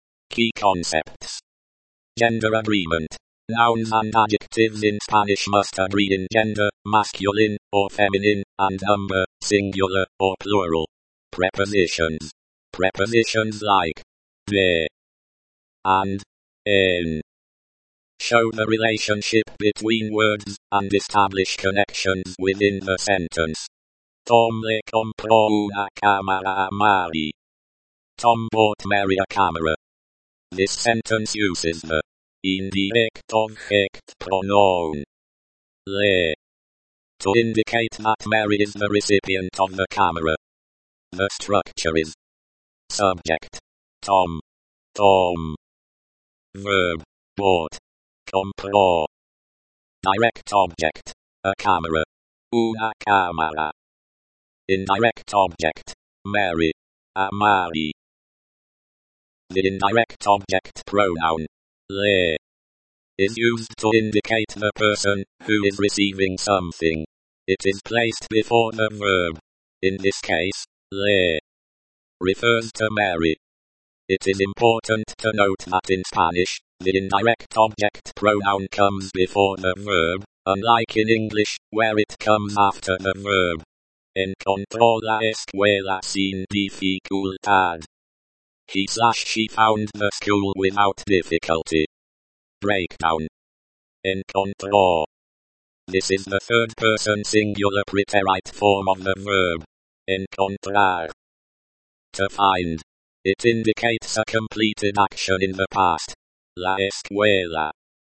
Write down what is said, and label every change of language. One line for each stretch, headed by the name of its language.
English: Key concepts. Gender agreement. Nouns and adjectives in Spanish must agree in gender, masculine or feminine, and number, singular or plural. Prepositions. Prepositions like de and en show the relationship between words and establish connections within the sentence.
Spanish: Tom le compró una cámara a Mary.
English: Tom bought Mary a camera. This sentence uses the indirect object pronoun le to indicate that Mary is the recipient of the camera. The structure is subject, Tom, Tom. Verb, bought, compró. Direct object, a camera,
Spanish: una cámara.
English: Indirect object, Mary,
Spanish: a Mary.
English: The indirect object pronoun, le, is used to indicate the person who is receiving something. It is placed before the verb. In this case, le refers to Mary. It is important to note that in Spanish, the indirect object pronoun comes before the verb, unlike in English, where it comes after the verb.
Spanish: Encontró la escuela sin dificultad.
English: He/she found the school without difficulty. Breakdown. Encontró. This is the third person singular preterite form of the verb. Encontrar. To find. It indicates a completed action in the past.
Spanish: La escuela.